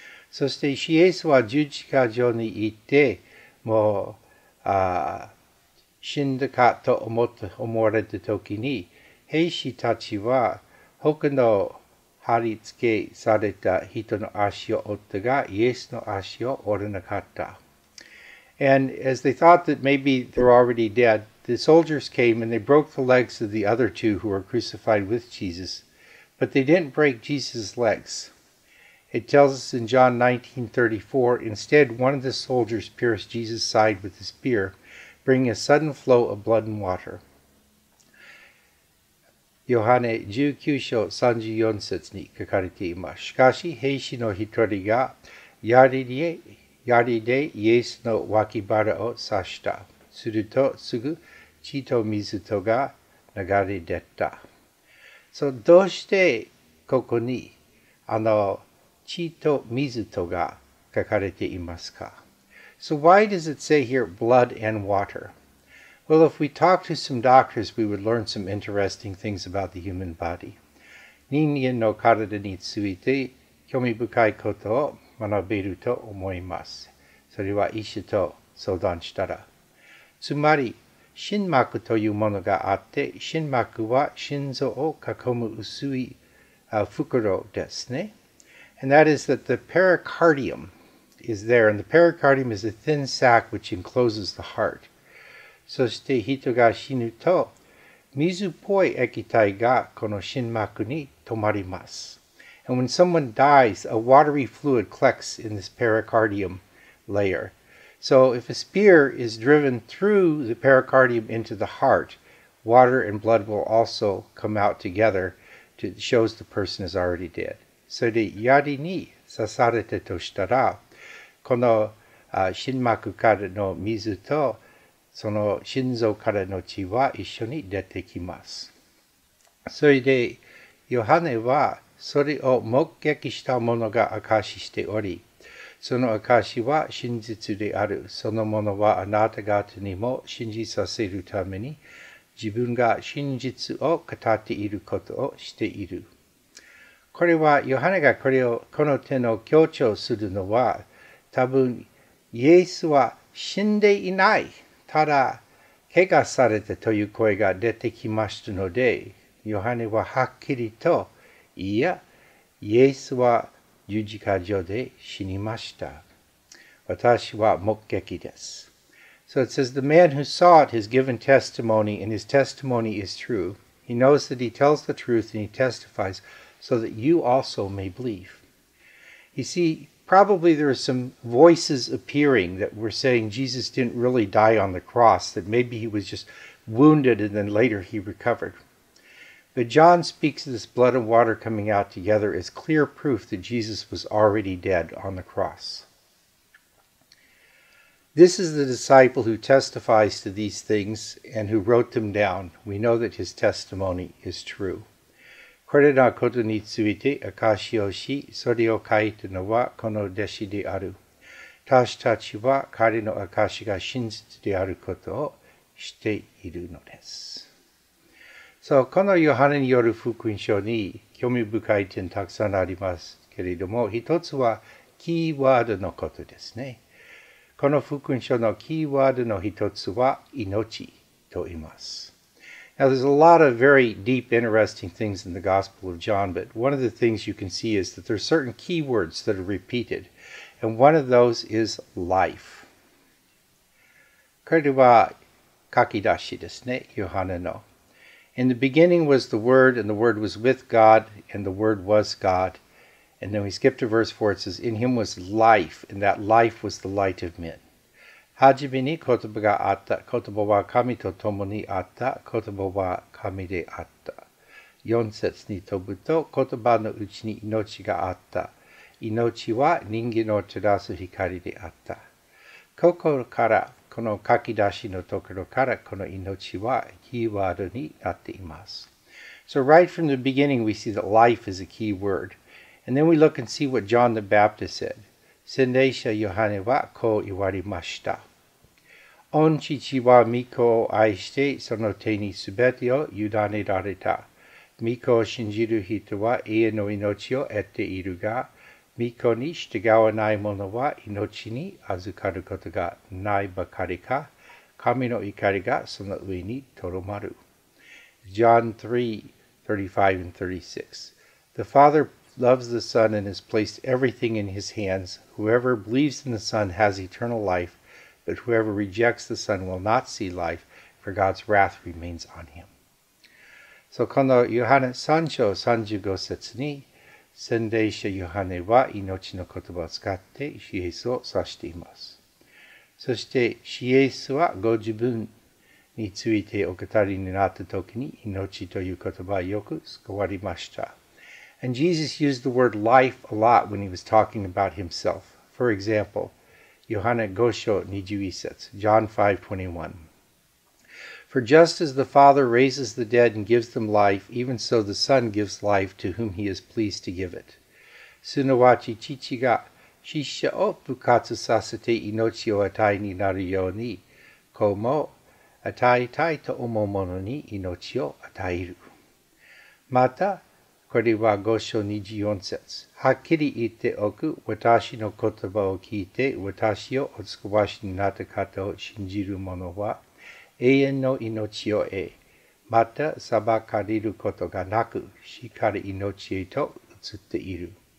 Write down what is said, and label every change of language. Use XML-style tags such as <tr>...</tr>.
<ja>そして、イエスは十字架上にいて、もう死んだかと思われたときに、兵士たちは、他の貼り付けされた人の足を折ったが、イエスの足を折らなかった。</ja> <en>And as they thought that maybe they're already dead,The soldiers came and they broke the legs of the other 2 who were crucified with Jesus, but they didn't break Jesus' legs. It tells us in John 19:34, instead one of the soldiers pierced Jesus' side with a spear, bring a sudden flow of blood and water.</en> <ja>ヨハネ19章34節に書かれています。しかし、兵士の一人が槍でイエスの脇腹を刺した。すると、すぐ血と水とが流れ出た。</ja> <en>So,</en> <ja>どうしてここに血と水とが書かれていますか?</ja> <en>So why does it say here blood and water? Well, if we talk to some doctors, we would learn some interesting things about the human body.</en> <ja>人間の体について興味深いことを学べると思います。それは医師と相談したら。つまり、心膜というものがあって、心膜は心臓を囲む薄い袋ですね。</ja> <en>And that is that the pericardium is there, and the pericardium is a thin sac which encloses the heart.</en> <ja>そして人が死ぬと、水っぽい液体がこの心膜に止まります。</ja> <en>And when someone dies, a watery fluid collects in this pericardium layer. So if a spear is driven through the pericardium into the heart, water and blood will also come out together to show the person is already dead.</en> <ja>そして槍に刺されたとしたら、この心膜からの水とその心臓からの血は一緒に出てきます。それで、ヨハネはそれを目撃した者が証ししており、その証しは真実である。そのものはあなた方にも信じさせるために、自分が真実を語っていることをしている。これは、ヨハネがこれをこの点を強調するのは、多分、イエスは死んでいない。ただ、怪我されたという声が出てきましたので、ヨハネははっきりと、いや、イエスは十字架上で死にました。私は目撃です。</ja> <en>So it says, the man who saw it has given testimony, and his testimony is true. He knows that he tells the truth, and he testifies, so that you also may believe. You see,Probably there are some voices appearing that were saying Jesus didn't really die on the cross, that maybe he was just wounded and then later he recovered. But John speaks of this blood and water coming out together as clear proof that Jesus was already dead on the cross. This is the disciple who testifies to these things and who wrote them down. We know that his testimony is true.</en> <ja>これらのことについて証しをし、それを書いたのはこの弟子である。私たちは彼の証しが真実であることをしているのです。</ja> <en>So,</en> <ja>このヨハネによる福音書に興味深い点たくさんありますけれども、一つはキーワードのことですね。この福音書のキーワードの一つは命と言います。</ja> <en>Now, there's a lot of very deep, interesting things in the Gospel of John, but one of the things you can see is that there are certain key words that are repeated, and one of those is life.</en> <ja>これは書き出しですね、ヨハネの。</ja> <en>In the beginning was the Word, and the Word was with God, and the Word was God. And then we skip to verse 4, it says, In him was life, and that life was the light of men.</en> <ja>はじめに言葉があった。言葉は神と共にあった。言葉は神であった。四節に飛ぶと、言葉のうちに命があった。命は人間を照らす光であった。ここから、この書き出しのところから、この命はキーワードになっています。</ja> <en>So right from the beginning we see that life is a key word. And then we look and see what John the Baptist said.</en> <ja>洗礼者ヨハネはこう言われました。御父は御子を愛して、その手にすべてを委ねられた。御子を信じる人は永遠の命を得ているが、御子に従わない者は命に預かることがないばかりか、神の怒りがその上にとどまる。</ja> <en>John 3:35 and 36 The Father loves the Son and has placed everything in his hands. Whoever believes in the Son has eternal life, but whoever rejects the Son will not see life, for God's wrath remains on him. So,</en> <ja>このヨハネ3章35節に、洗礼者ヨハネは命の言葉を使ってイエスを指しています。そして、主イエスはご自分についてお語りになった時に、命という言葉をよく使われました。</ja> <en>And Jesus used the word life a lot when he was talking about himself. For example, Yohana 5:21. John 5:21. For just as the Father raises the dead and gives them life, even so the Son gives life to whom he is pleased to give it.</en> <ja>すなわち、父が死者を復活させて命を与えになるように、子も与えたいと思う者に命を与える。また、これは5:24。はっきり言っておく、私の言葉を聞いて、私をお救わしになった方を信じる者は、永遠の命を得、また裁かれることがなく、死から命へと移っている。</ja>